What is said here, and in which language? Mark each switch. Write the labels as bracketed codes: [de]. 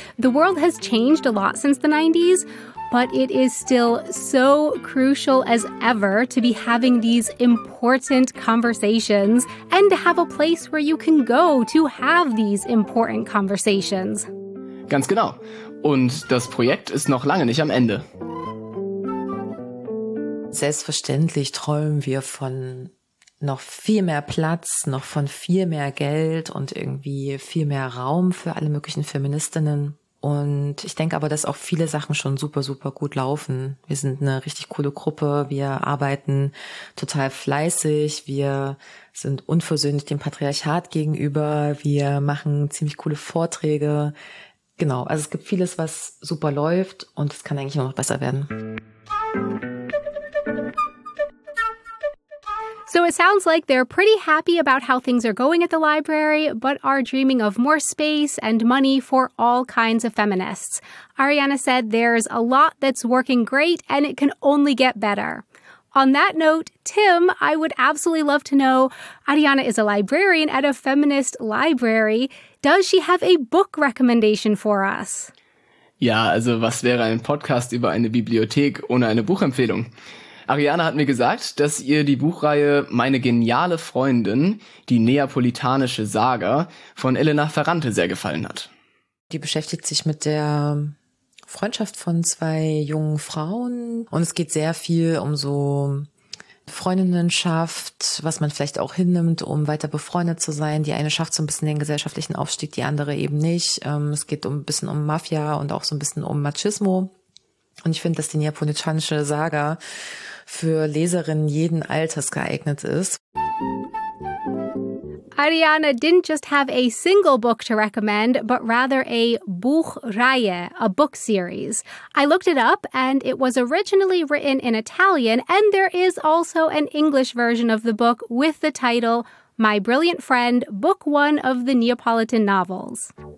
[en] The world has changed a lot since the 90s, but it is still so crucial as ever to be having these important conversations and to have a place where you can go to have these important conversations. [de] Ganz genau. Und das Projekt ist noch lange nicht am Ende. Selbstverständlich träumen wir von noch viel mehr Platz, noch von viel mehr Geld und irgendwie viel mehr Raum für alle möglichen Feministinnen. Und ich denke aber, dass auch viele Sachen schon super, super gut laufen. Wir sind eine richtig coole Gruppe. Wir arbeiten total fleißig. Wir sind unversöhnlich dem Patriarchat gegenüber. Wir machen ziemlich coole Vorträge. Genau, also es gibt vieles, was super läuft und es kann eigentlich nur noch besser werden. [en] So it sounds like they're pretty happy about how things are going at the library, but are dreaming of more space and money for all kinds of feminists. Ariana said there's a lot that's working great and it can only get better. On that note, Tim, I would absolutely love to know, Ariana is a librarian at a feminist library. Does she have a book recommendation for us? [de] Ja, also was wäre ein Podcast über eine Bibliothek ohne eine Buchempfehlung? Ariana hat mir gesagt, dass ihr die Buchreihe Meine geniale Freundin, die neapolitanische Saga von Elena Ferrante sehr gefallen hat. Die beschäftigt sich mit der Freundschaft von zwei jungen Frauen und es geht sehr viel um so Freundinnenschaft, was man vielleicht auch hinnimmt, um weiter befreundet zu sein. Die eine schafft so ein bisschen den gesellschaftlichen Aufstieg, die andere eben nicht. Es geht ein bisschen um Mafia und auch so ein bisschen um Machismo. Und ich finde, dass die neapolitanische Saga für Leserinnen jeden Alters geeignet ist. [en] Ariana didn't just have a single book to recommend, but rather a Buchreihe, a book series. I looked it up and it was originally written in Italian and there is also an English version of the book with the title My Brilliant Friend, Book One of the Neapolitan Novels.